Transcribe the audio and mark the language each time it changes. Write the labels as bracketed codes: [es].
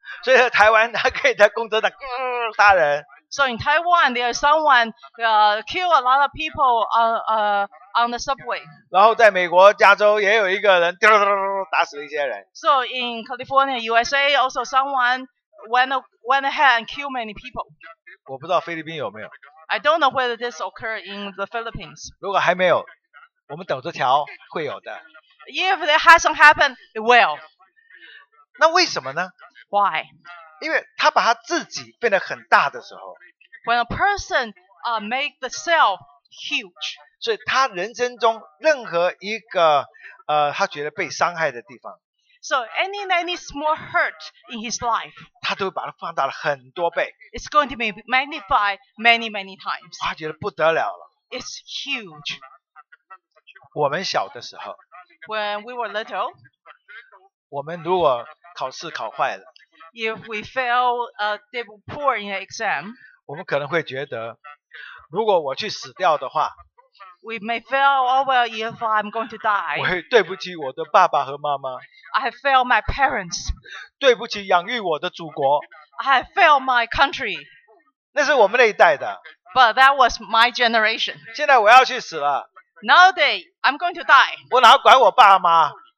[zh] 所以在台湾他可以在公车上杀人。 [en] So in Taiwan, there is someone kill a lot of people on the subway. [zh] 然后在美国加州也有一个人叮叮叮叮叮打死了一些人。 [en] So in California, USA, also someone went ahead and killed many people. [zh] 我不知道菲律宾有没有。 [en] I don't know whether this occurred in the Philippines. [zh] 如果还没有，我们等着瞧，会有的。 [en] If that hasn't happened, it will. [zh] 那为什么呢？ [en] Why? [zh] 因为他把他自己变得很大的时候 [en] ，When a person make the self huge， [zh] 所以他人生中任何一个他觉得被伤害的地方 [en] ，So any small hurt in his life， [zh] 他都会把它放大了很多倍 [en] ，It's going to be magnified many times， [zh] 他觉得不得了了 [en] ，It's huge。 [zh] 我们小的时候 [en] ，When we were little， [zh] 我们如果考试考坏了。 [en] If we fail a deep poor in an exam, [zh] 我们可能会觉得，如果我去死掉的话 [en] ，We may fail or well if I'm going to die. [zh] 我会对不起我的爸爸和妈妈。 [en] I have failed my parents. [zh] 对不起养育我的祖国。 [en] I have failed my country. [zh] 那是我们那一代的。 [en] But that was my generation. [zh] 现在我要去死了。 [en] Nowadays I'm going to die. [zh] 我哪管我爸妈